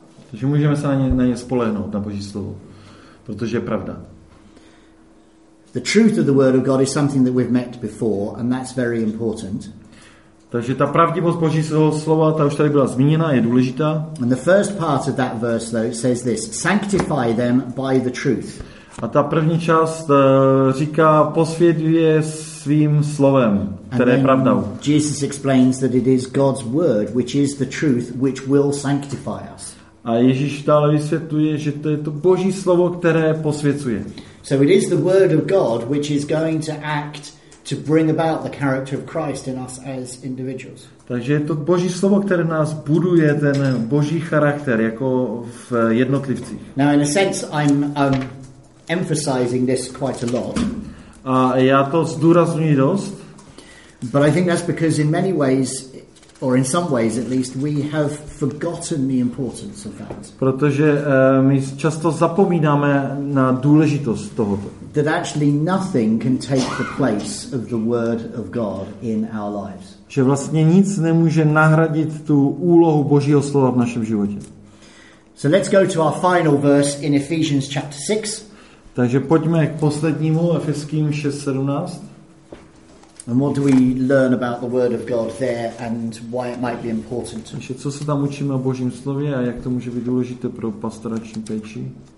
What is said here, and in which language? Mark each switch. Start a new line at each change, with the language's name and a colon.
Czech: Takže můžeme se na ně spolehnout, na Boží slovo, protože je pravda.
English: The truth of the word of God is something that we've met before, and that's very important.
Czech: Takže ta pravdivost Božího slova, ta už tady byla zmíněna, je důležitá.
English: And the first part of that verse though says this: sanctify them by the truth.
Czech: A ta první část říká posvěduje svým slovem, které je pravdou.
English: Jesus explains that it is God's word which is the truth which will sanctify us.
Czech: A Ježíš dále vysvětluje, že to je to Boží slovo, které posvěcuje.
English: So it is the word of God which is going to act to bring about the character of Christ in us as individuals.
Czech: Takže je to Boží slovo, které nás buduje ten Boží charakter jako v jednotlivcích.
English: Now in a sense I'm emphasizing this quite a lot.
Czech: A já to zdůrazňuji dost.
English: But I think that's because in many ways, or in some ways at least, we have forgotten the importance of that.
Czech: Protože my často zapomínáme na důležitost tohoto.
English: That actually nothing can take the place of the word of God in our lives.
Czech: Že vlastně nic nemůže nahradit tu úlohu Božího slova v našem životě.
English: So let's go to our final verse in Ephesians chapter 6.
Czech: Takže pojďme k poslednímu Efeským 6:17.
English: And what do we learn about the word of God there and why it might be important?
Czech: Takže co se tam učíme o Božím slově a jak to může být důležité pro pastorační péči?